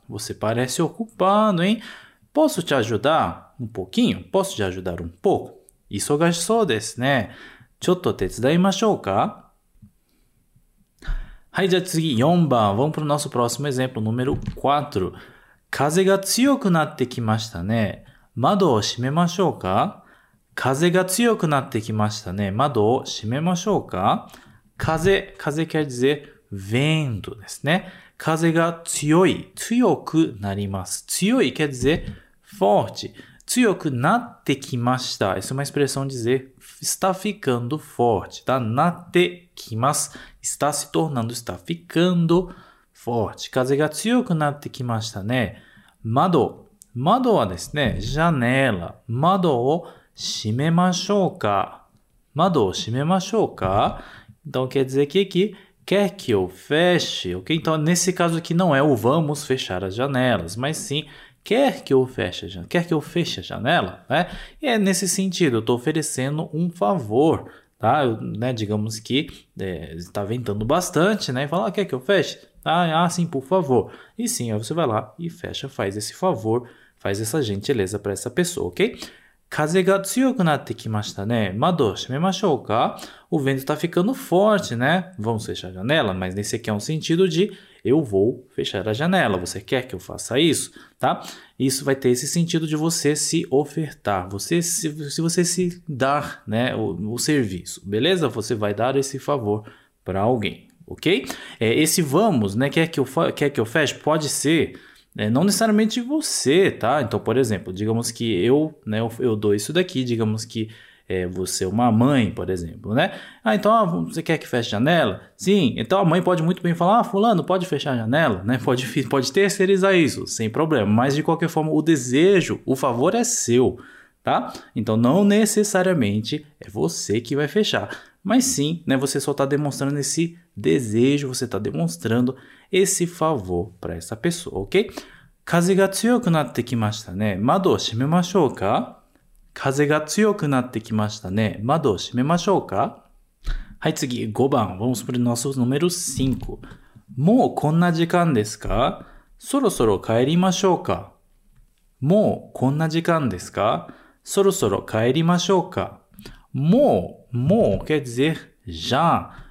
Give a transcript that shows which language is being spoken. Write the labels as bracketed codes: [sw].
[pt] Você parece ocupado, hein? Posso te ajudar um pouquinho? Posso te ajudar um pouco? [ja] Isogashisou desu ne. Chotto tetsudaimashou ka? はい、じゃあ次4番。 [pt] Vamos pro nosso próximo exemplo, número 4. [ja] 風が強くなってきましたね。窓を閉めましょうか？風が強くなってきましたね。窓を閉めましょうか？ [pt] 風 quer dizer vento ですね。 [ja] 風が強い、強くなります。 [pt] 強い quer dizer forte。 [ja] 強くなってきました。 [pt] Essa é uma expressão de dizer está ficando forte. Tá? [ja] なってきます。 [pt] Está se tornando, está ficando forte. [ja] 風が強くなってきましたね。窓はですね、janela. 窓を閉めましょうか。窓を閉めましょうか。 [pt] Então, quer dizer que quer que eu feche, ok? Então, nesse caso aqui não é o vamos fechar as janelas, mas sim quer que eu feche a janela, quer que eu feche a janela, né? E é nesse sentido, eu estou oferecendo um favor, tá? Eu, né, digamos que está ventando bastante, né? E fala, ah, quer que eu feche? Ah, sim, por favor. E sim, aí você vai lá e fecha, faz esse favor, faz essa gentileza para essa pessoa, ok? [ja] 風が強くなってきましたね。窓を閉めましょうか。 [pt] O vento está ficando forte, né? Vamos fechar a janela, mas nesse aqui é um sentido de eu vou fechar a janela. Você quer que eu faça isso, tá? Isso vai ter esse sentido de você se ofertar, você se dar, né, o serviço, beleza? Você vai dar esse favor para alguém, ok? Esse vamos, né? Quer que eu feche? Pode ser. Não necessariamente você, tá? Então, por exemplo, digamos que eu, né, eu dou isso daqui, digamos que você é uma mãe, por exemplo, né? Ah, então você quer que feche a janela? Sim, então a mãe pode muito bem falar, ah, fulano, pode fechar a janela, né? Pode terceirizar isso, sem problema. Mas, de qualquer forma, o desejo, o favor é seu, tá? Então, não necessariamente é você que vai fechar. Mas sim, né, você só está demonstrando esse desejo, você está demonstrando esse favor para essa pessoa, ok? [ja] 風が強くなってきましたね。窓を閉めましょうか？風が強くなってきましたね。窓を閉めましょうか？はい、次5番。 [pt] Vamos para o nosso número 5. [ja] もうこんな時間ですか？そろそろ帰りましょうか？もうこんな時間ですか？そろそろ帰りましょうか？ [pt] もう quer dizer já.